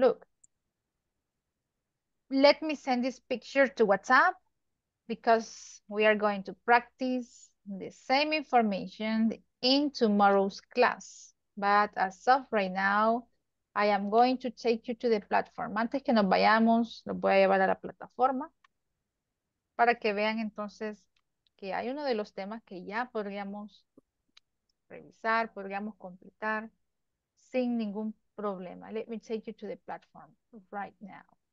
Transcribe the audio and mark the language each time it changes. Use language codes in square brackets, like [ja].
[en] Look, let me send this picture to WhatsApp because we are going to practice the same information in tomorrow's class. But as of right now, I am going to take you to the platform. [es] Antes que nos vayamos, los voy a llevar a la plataforma para que vean entonces que hay uno de los temas que ya podríamos revisar, podríamos completar sin ningún problema. [en] Let me take you to the platform right now.